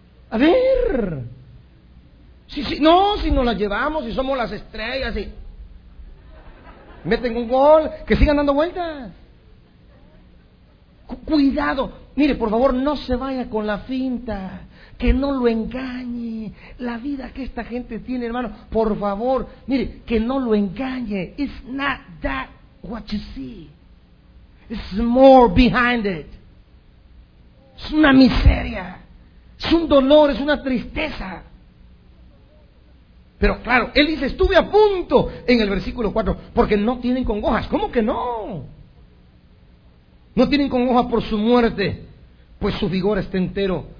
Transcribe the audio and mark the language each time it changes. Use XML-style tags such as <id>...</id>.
<es>A ver, si nos la llevamos, si somos las estrellas y... meten un gol, que sigan dando vueltas. Cuidado, mire, por favor, no se vaya con la finta, que no lo engañe la vida que esta gente tiene, hermano. Por favor, mire, que no lo engañe.</es> <en>It's not that what you see, it's more behind it.</en> <es>Es una miseria, es un dolor, es una tristeza. Pero claro, él dice, estuve a punto en el versículo 4, porque no tienen congojas. ¿Cómo que no? No tienen congojas por su muerte, pues su vigor está entero.</es>